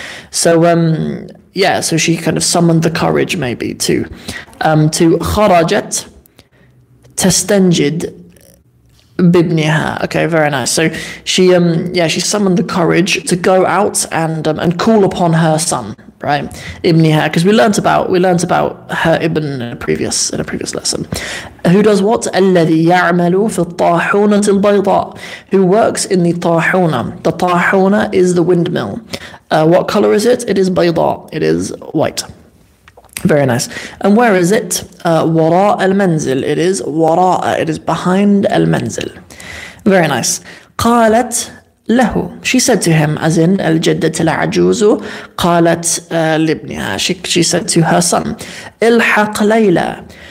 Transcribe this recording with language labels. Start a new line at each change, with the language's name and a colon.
English: So, so she kind of summoned the courage maybe to
Arabic: kharajat tastanjid bibniha.
English: Okay, very nice. So she summoned the courage to go out and call upon her son, right? Ibniha, because we learnt about her ibn in a previous lesson. Who does what?
Arabic: الَّذِي يَعْمَلُ فِي الطَّاحُونَةِ الْبَيْضَاءِ,
English: who works in the
Arabic: طاحونة.
English: The طاحونة is the windmill. What color is it? It is بيضاء. It is white. Very nice. And where is it?
Arabic: وراء المنزل.
English: It is
Arabic: وراء.
English: It is behind المنزل. Very nice.
Arabic: قالت له,
English: she said to him, as in
Arabic: الجدت العجوز قالت لابنها,
English: she said to her son,
Arabic: إلحق ليلى.